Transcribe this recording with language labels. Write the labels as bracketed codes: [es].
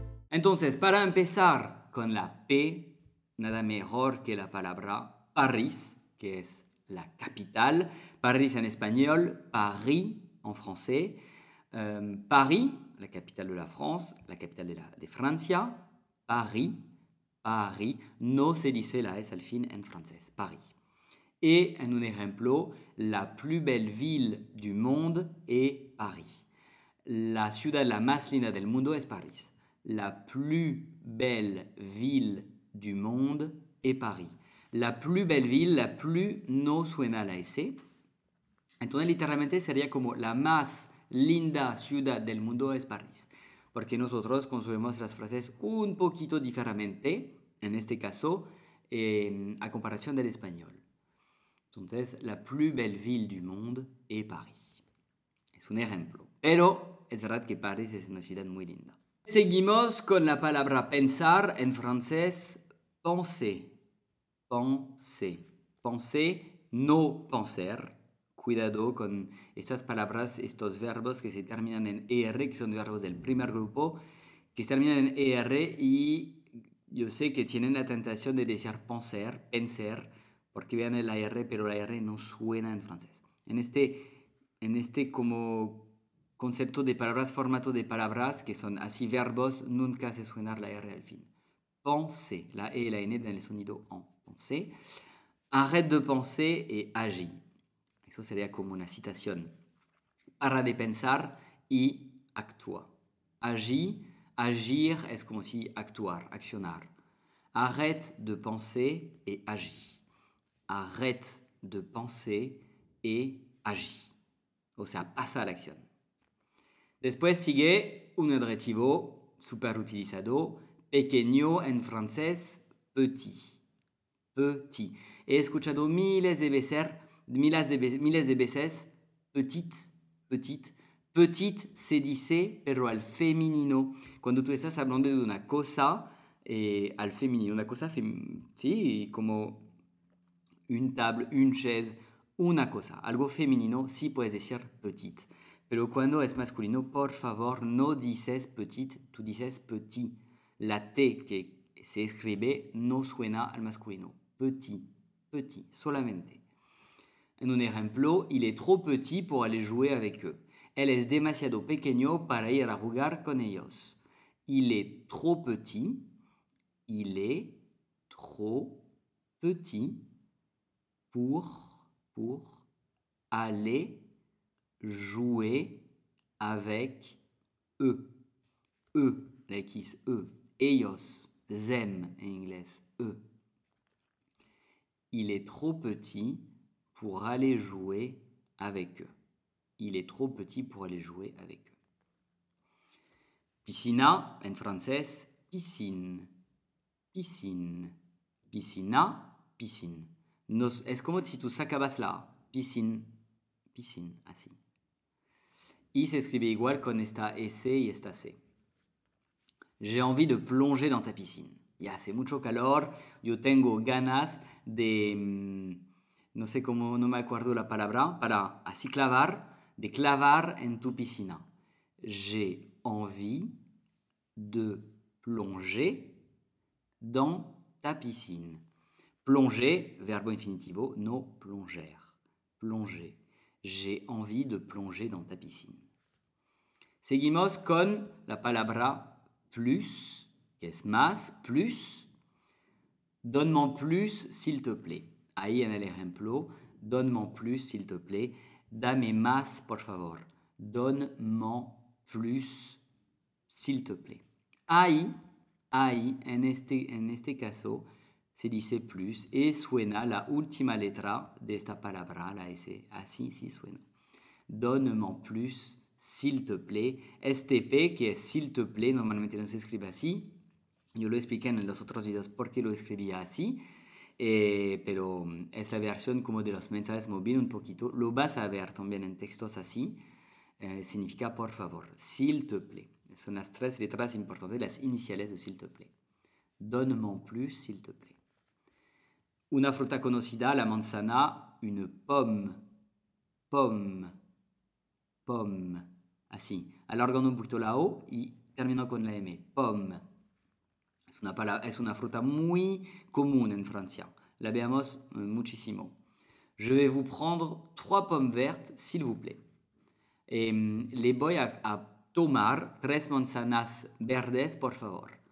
[es] Entonces, para empezar con la P, nada mejor que la palabra París, que es la capital. Paris en español, [fr] Paris en français. Paris, la capitale de la France, la capitale de Francia. Paris, Paris. [es] No se dice la S al fin en francés. [fr] Paris. Et [es] en un ejemplo, [fr] la plus belle ville du monde est Paris. [es] La ciudad la más linda del mundo es Paris. [fr] La plus belle ville du monde est Paris. La plus belle ville, la plus [es] no suena la S. Entonces, literalmente sería como la más linda ciudad del mundo es París. Porque nosotros construimos las frases un poquito diferente, en este caso, a comparación del español. [fr] Entonces, la plus belle ville du monde est Paris. [es] Es un ejemplo. Pero es verdad que París es una ciudad muy linda. Seguimos con la palabra pensar en francés, penser. Penser. Penser, no penser. Cuidado con esas palabras, estos verbos que se terminan en ER, que son verbos del primer grupo, que se terminan en ER y yo sé que tienen la tentación de decir penser, penser, porque viene la R, pero la R no suena en francés. En este como concepto de palabras, formato de palabras, que son así verbos, nunca hace suenar la R al fin. Penser, la E y la N dan el sonido en. Penser. [fr] Arrête de penser et agis. [es] Eso sería como una citación. Para de pensar y actúa. Agis, agir es como si actuar, accionar. [fr] Arrête de penser et agis. Arrête de penser et agis. [es] O sea, pasa a la acción. Después sigue un adjetivo super utilizado. Pequeño en francés, petit. Petit. He escuchado miles de veces, petite, petite. Petite se dice, pero al femenino. Cuando tú estás hablando de una cosa, al femenino, una cosa, sí, como une table, une chaise, una cosa, algo femenino, sí puedes decir petite. Pero cuando es masculino, por favor, no dices petite, tú dices petit. La T que se escribe no suena al masculino. Petit, petit, solamente. En un ejemplo, [fr] il est trop petit pour aller jouer avec eux. [es] Él es demasiado pequeño para ir a jugar con ellos. [fr] Il est trop petit. Il est trop petit pour aller jouer avec eux. Eux, la X, eux. [es] Ellos, them en inglés, eux. [fr] Il est trop petit pour aller jouer avec eux. Il est trop petit pour aller jouer avec eux. [es] Piscina, en français, piscine. Piscine. Piscina, piscine. Nos, es como si tú sacabas la piscine. Piscine, así. Y se escribe igual con esta S y esta C. [fr] J'ai envie de plonger dans ta piscine. [es] Ya hace mucho calor, yo tengo ganas de, no sé cómo, no me acuerdo la palabra, para así clavar, de clavar en tu piscina. [fr] J'ai envie de plonger dans ta piscine. Plonger, verbo infinitivo, no plonger. Plonger. J'ai envie de plonger dans ta piscine. [es] Seguimos con la palabra plus, que es más, plus. [fr] Donne-m'en plus, s'il te plaît. [es] Ahí en el ejemplo, [fr] donne-m'en plus, s'il te plaît. [es] Dame más, por favor. [fr] Donne-m'en plus, s'il te plaît. [es] Ahí, ahí, en este caso, se dice plus. Et suena la última letra de esta palabra, la S. Así, ah, sí, suena. [fr] Donne-m'en plus, s'il te plaît. [es] STP, que es s'il te plaît, normalmente no se escribe así. Yo lo expliqué en los otros videos por qué lo escribía así. Pero es la versión como de los mensajes móviles un poquito. Lo vas a ver también en textos así. Significa por favor, s'il te plaît. Son las tres letras importantes, las iniciales de s'il te plaît. [fr] Donne-m'en plus, s'il te plaît. [es] Una fruta conocida, la manzana, une pomme. Pomme. Pomme. Así. Alargando un poquito la O y terminando con la M. Pomme. Es una fruta muy común en Francia. La veamos muchísimo. [fr] Je vais vous prendre trois pommes vertes, s'il vous plaît. [es] Les voy a tomar tres manzanas verdes, por favor.